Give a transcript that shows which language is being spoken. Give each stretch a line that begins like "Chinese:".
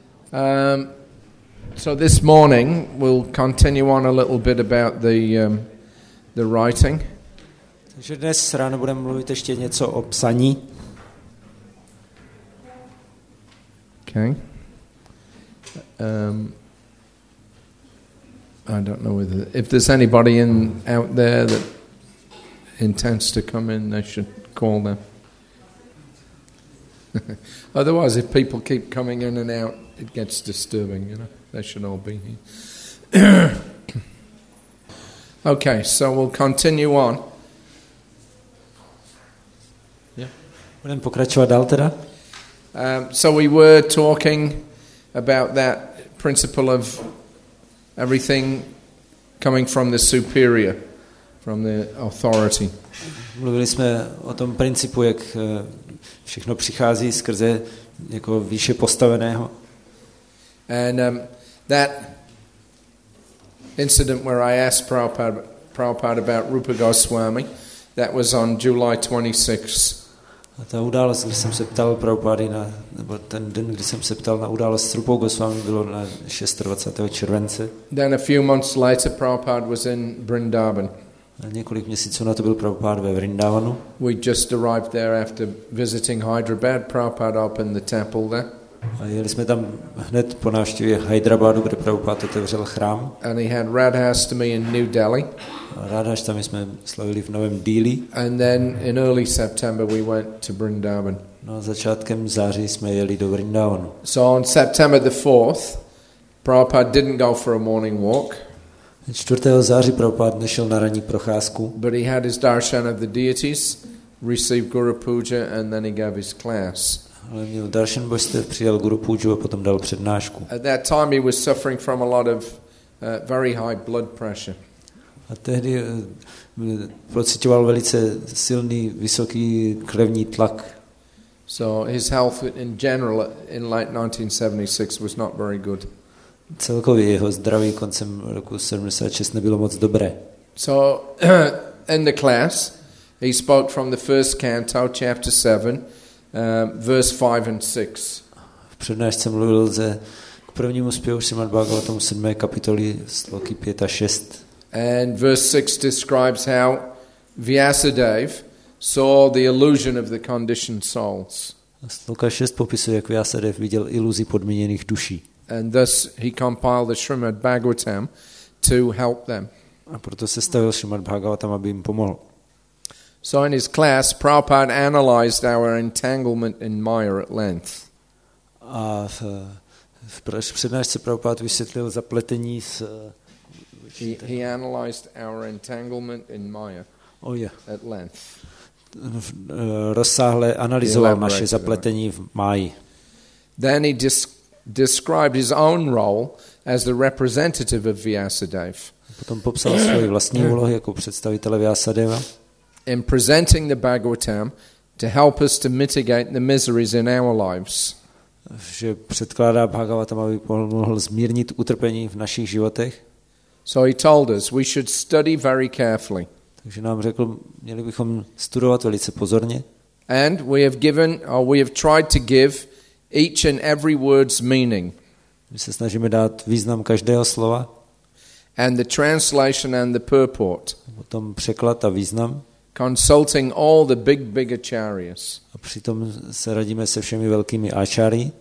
English: So this morning we'll continue on a little bit about the writing.
Czech: Takže dnes ráno budeme mluvit ještě něco o psaní.
English: Okay. I don't know whether if there's anybody in out there that intends to come in, they should call them. Otherwise, if people keep coming in and out, it gets disturbing, you know. They should all be here. Okay, so we'll continue on.
Czech: Yeah. Budeme pokračovat dál teda.
English: So we were talking about that principle of everything coming from the superior, from the authority.
Czech: Mluvili jsme o tom principu, jak všechno přichází skrze jako výše postaveného.
English: And that incident where I asked Prabhupada about Rupa Goswami, that was on July 26.
Czech: A ta událost, kdy jsem se ptal Prabhupady na, nebo ten den, kdy jsem se ptal na událost s Rupou Goswami, bylo na 26. července.
English: Then a few months later, Prabhupada was in Vrindavan.
Czech: Několik měsíců na to byl Prabhupada ve Vrindavanu.
English: We just arrived there after visiting Hyderabad. Prabhupada opened the temple there.
Czech: A jeli jsme tam hned po návštěvě Hyderabadu, kde Prabhupada otevřel chrám.
English: And he had Radhas to me in New Delhi.
Czech: Radhas tam jsme slavili v Novém Delhi.
English: And then in early September we went to Vrindavan.
Czech: No, začátkem září jsme jeli do Vrindavanu.
English: So on September the 4th, Prabhupada didn't go for a morning walk.
Czech: 4. září Prabhupada nešel na ranní procházku.
English: But he had his darshan of the deities, received guru puja, and then he gave his class.
Czech: Ale měl darshan božstev, přijal guru puju a potom dal přednášku.
English: At that time he was suffering from a lot of very high blood pressure.
Czech: A tehdy pocitoval velice silný vysoký krevní tlak.
English: So his health in general in late 1976 was not very good.
Czech: Celkově jeho zdraví koncem roku 76 nebylo moc dobré.
English: So in the class he spoke from the first canto chapter 7 verse 5 and 6.
Czech: V přednášce mluvil ze k prvnímu zpěvu Srimad Bhagavatam 7. kapitoly sloky 5 a 6.
English: And verse 6 describes how Vyasadev saw the illusion of the conditioned souls.
Czech: Sloka 6 popisuje, jak Vyasadev viděl iluzi podmíněných duší.
English: And thus he compiled the Srimad Bhagavatam to help them.
Czech: A proto sestavil Srimad Bhagavatam, aby jim pomohl.
English: So in his class, Prabhupada analyzed our entanglement in Maya at length.
Czech: A v přednášce Prabhupada vysvětlil zapletení s...
English: He analyzed our entanglement in Maya at length.
Czech: Rozsáhle analyzoval naše zapletení v Maji.
English: Then he described his own role as the representative of Vyasadev.
Czech: Potom popsal svoji vlastní úlohu jako představitele Vyasadeva.
English: In presenting the Bhagavatam to help us to mitigate the miseries in our lives.
Czech: Že předkládá Bhagavatam, aby pomohl zmírnit utrpení v našich životech.
English: So he told us we should study very carefully.
Czech: Takže nám řekl, měli bychom studovat velice pozorně.
English: And we have given or we have tried to give each and every word's meaning.
Czech: My se snažíme dát význam každého slova.
English: And the translation and the purport.
Czech: Potom překlad a význam.
English: Consulting all the big acharyas.
Czech: A přitom se radíme se všemi velkými acharyi.